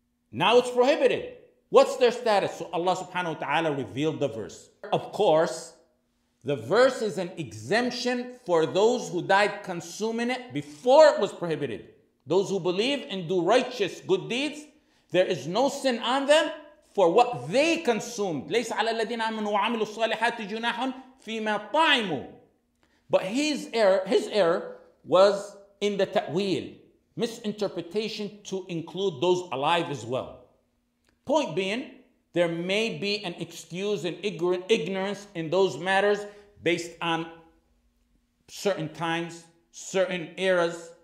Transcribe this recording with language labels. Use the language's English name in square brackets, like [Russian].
[English] Now it's prohibited. What's their status?" So Allah subhanahu wa ta'ala revealed the verse. Of course, the verse is an exemption for those who died consuming it before it was prohibited. Those who believe and do righteous good deeds, there is no sin on them for what they consumed. [Arabic] ليس على الذين آمنوا وعملوا الصالحات جناح فيما طعموا. [English] But his error was in the ta'wil, misinterpretation to include those alive as well. Point being, there may be an excuse in ignorance in those matters based on certain times, certain eras.